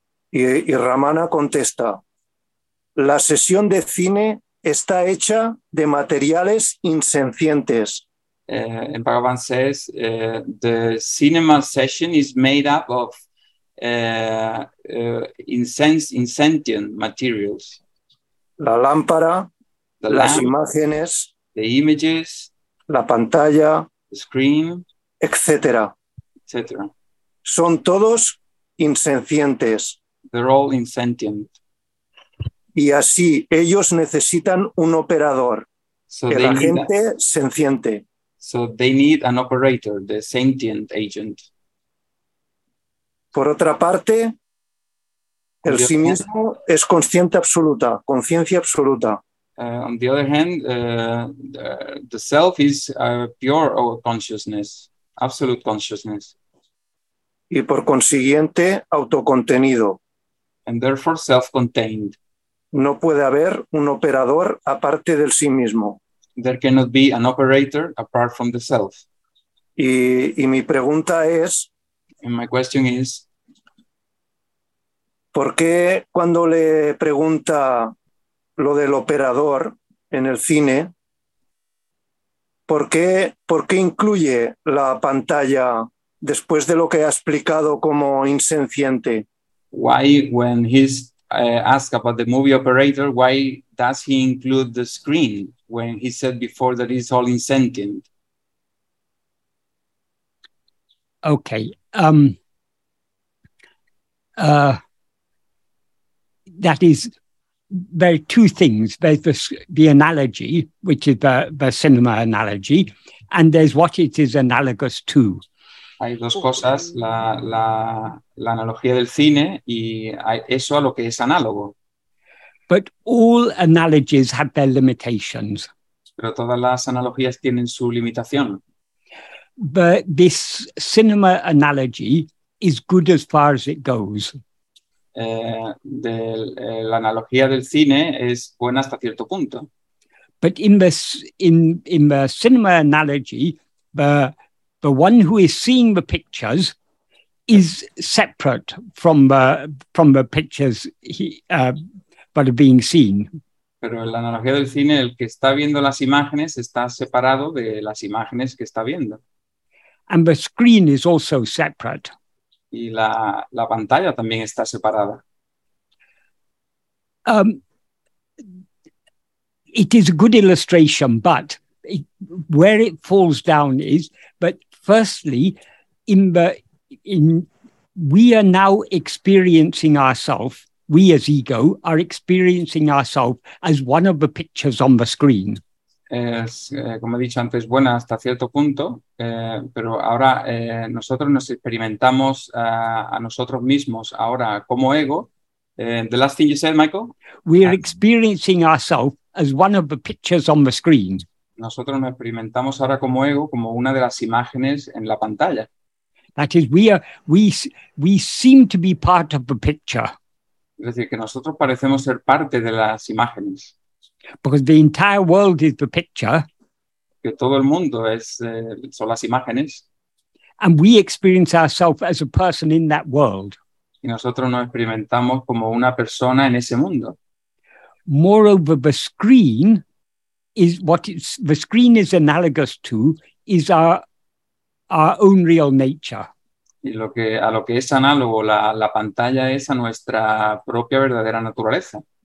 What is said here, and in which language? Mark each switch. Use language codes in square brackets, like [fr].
[es] Y Ramana contesta, la sesión de cine está hecha de materiales insencientes. [en] And Bhagavan says, the cinema session is made up of insentient materials. [es] La lámpara, las imágenes, [en] the images, [es] la pantalla, [en] the screen, [es] etc. Son todos insencientes. [en] They're all insentient. [es] Y así, ellos necesitan un operador. [en] So [es] el agente sentiente. [en] So they need an operator, the sentient agent. [es] Por otra parte, el sí mismo es consciente absoluta, conciencia absoluta. [en] On the other hand, the self is a pure consciousness, absolute consciousness. [es] Y por consiguiente, autocontenido. [en] And therefore self-contained. [es] No puede haber un operador aparte del sí mismo. [en] There cannot be an operator apart from the self. [es] Y mi pregunta es, [en] and my question is, [es] ¿por qué cuando le pregunta lo del operador en el cine, ¿por qué incluye la pantalla después de lo que ha explicado como insenciente? [en] Why, when he's asked about the movie operator, why does he include the screen when he said before that it's all insentient? Okay. That is, there are two things. There's the analogy, which is the cinema analogy, and there's what it is analogous to. [es] Hay dos cosas, la analogía del cine y eso a lo que es análogo. [en] But all analogies have their limitations. [es] Pero todas las analogías tienen su limitación. [en] But this cinema analogy is good as far as it goes. [es] La analogía del cine es buena hasta cierto punto. [en] But in the cinema analogy, the one who is seeing the pictures is separate from the pictures that are being seen. [es] Pero en la analogía del cine, el que está viendo las imágenes está separado de las imágenes que está viendo. [en] And the screen is also separate. [es] Y la pantalla también está separada. [en] It is a good illustration, but where it falls down is, but firstly, we are now experiencing ourselves, we as ego are experiencing ourselves as one of the pictures on the screen. [es] Como he dicho antes, buena hasta cierto punto, pero ahora nosotros nos experimentamos a nosotros mismos ahora como ego. [en] The last thing you said, Michael? We are experiencing ourselves as one of the pictures on the screen. [es] Nosotros nos experimentamos ahora como ego, como una de las imágenes en la pantalla. [en] That is, we seem to be part of the picture. [es] Es decir, que nosotros parecemos ser parte de las imágenes. [en] Because the entire world is the picture. [es] Que todo el mundo son las imágenes. [en] And we experience ourselves as a person in that world. [es] Y nosotros nos experimentamos como una persona en ese mundo. [en] Moreover, the screen is analogous to is our own real nature. [es] Y lo que es análogo la pantalla es a nuestra propia verdadera naturaleza.